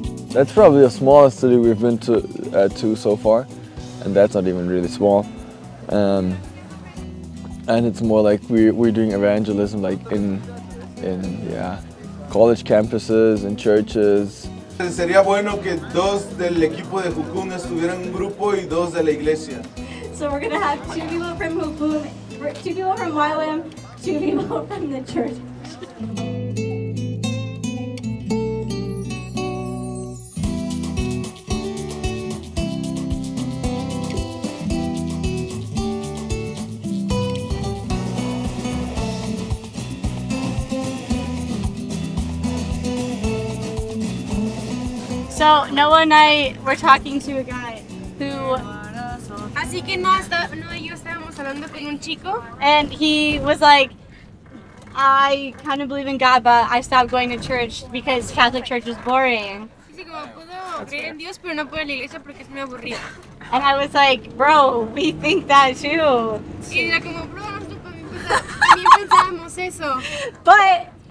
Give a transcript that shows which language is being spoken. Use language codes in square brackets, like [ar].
[en] That's probably the smallest city we've been to so far, and that's not even really small. And it's more like we're doing evangelism, like in yeah, college campuses and churches. [es] Sería bueno que dos del equipo de Jukun estuvieran en un grupo y dos de la iglesia. [en] So we're gonna have two people from Jukun, two people from YWAM, two people from the church. So Noah and I were talking to a guy who. [es] Así que no, Noah y yo estábamos hablando con un chico. [en] And he was like, I kind of believe in God, but I stopped going to church because Catholic church was boring. And I was like, bro, we think that too. But.